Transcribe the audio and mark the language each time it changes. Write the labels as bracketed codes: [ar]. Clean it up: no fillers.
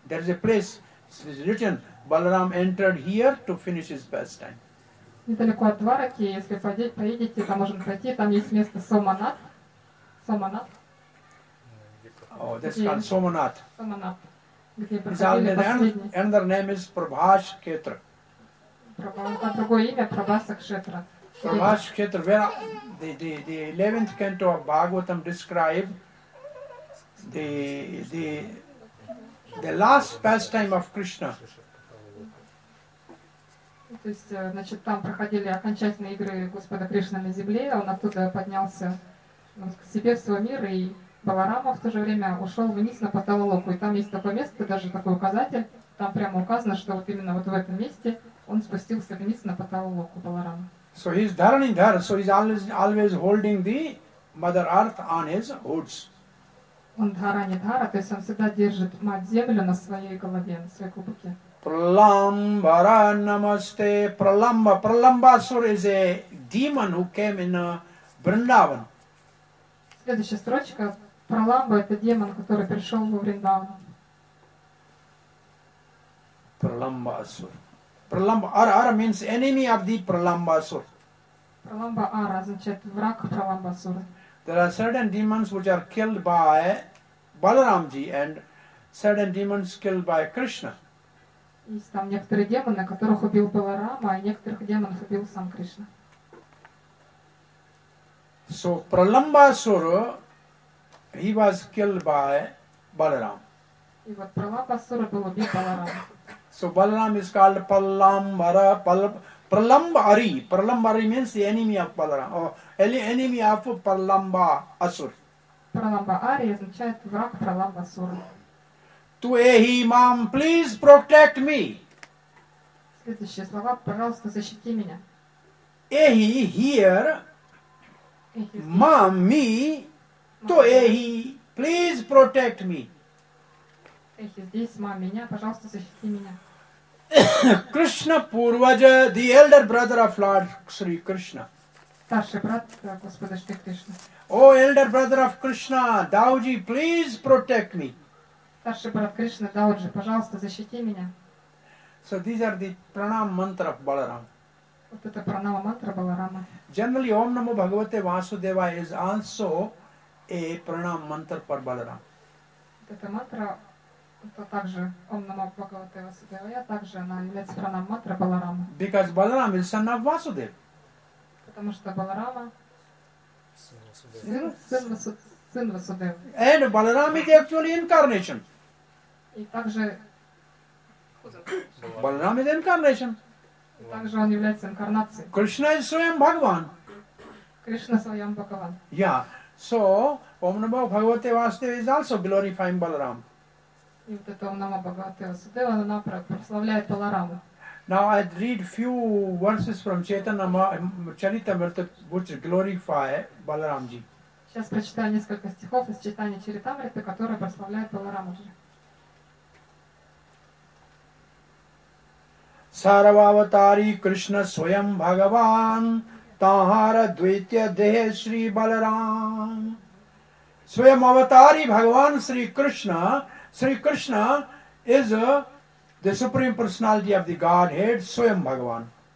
[en] There is a place, it is written, Balaram entered here to finish his pastime. [ru] Недалеко от Двараки, если поедете, там можно пройти, там есть место Соманат. Соманат. [en] О, oh, that's called Соманат. [ru] Соманат. Где проходили последние. [en] And their name is Prabhas Khetra. [ru] А другое имя Prabhas Khetra. [en] Prabhas Khetra, where the 11th canto of Bhagavatam describe the last pastime of Krishna. [ru] То есть, значит, там проходили окончательные игры Господа Кришны на земле, он оттуда поднялся к себе в свой мир, и Баларама в то же время ушел вниз на Паталалоку. И там есть такое место, даже такой указатель, там прямо указано, что вот именно вот в этом месте он спустился вниз на Паталалоку Баларама. [en] So he's Dharani Dhara, so he's always holding the Mother Earth on his hoods. [ru] Он Dharani Dhara, то есть он всегда держит Мать-Землю на своей голове, на своей клубке. [sa] Pralambara namaste. Pralamba. [en] Pralambasura is a demon who came in Vrindavan. [ru] Следующая строчка. Pralamba — это демон, который пришел в Вриндаван. [en] Pralambasura. Pralambara means enemy of the Pralambasura. [ru] Pralambara означает враг Pralambasura. [en] There are certain demons which are killed by Balaramji, and certain demons killed by Krishna. [ru] Есть там некоторые демоны, которых убил Баларама, а некоторых демонов убил сам Кришна. [en] So Pralambasura, he was killed by Balaram. [ru] И вот Pralambasura был убит Баларамой. [en] So Balaram is called Pralambari. Pralambari means the enemy of Balaram. Or enemy of Pralambasura. [ru] Pralambari означает враг Pralambasura. [en] To Ehi Mam, please protect me. [ru] Следующие слова, пожалуйста, защити меня. [en] Ehi here, Mam me, to Ehi, please protect me. [ru] Ehi здесь, Мам меня, пожалуйста, защити меня. [en] Krishna Purvaja, the elder brother of Lord Sri Krishna. [ru] Старший брат Господа Шри Кришна. [en] Oh, elder brother of Krishna, Dauji, please protect me. [ru] Старший брат Кришна Дауджи, пожалуйста, защити меня. [en] So these are the pranam mantra of Balarama. [ru] Вот это пранама мантра Баларама. [en] Generally, Om Namo Bhagavate Vasudeva is also a pranam mantra for Balarama. [ru] Вот эта мантра, это также [sa] Om Namo Bhagavate Vasudeva, [ru] я также она является пранам мантра Баларама. [en] Because Balarama is son of Vasudev. [ru] Потому что Баларама сын Васудева. [en] And Balaram is actually incarnation. [ru] И также [en] Balaram is incarnation. [ru] И также он является инкарнацией. [en] Krishna is Swayam Bhagavan. [sa] Krishna Swayam Bhagavan. [en] Yeah. So Om Namo Bhagavate Vasudeva is also glorifying Balaram. [ru] И вот это [sa] Om Namo Bhagavate Vasudeva, [ru] она прославляет Balarama. [en] Now I read few verses from Chaitanya Charitamrita which glorify Balaram ji. [ru] Сейчас прочитаю несколько стихов из читания Чаритамриты, которые прославляют Баларамаджи. [sa] Сарвавтари Кришна Своям Бхагаван Тахара Двитья Дехе Шри Баларам. Своям Аватари Бхагаван Шри Кришна. [en] Шри Кришна is the Supreme Personality of the Godhead, Своям Бхагаван.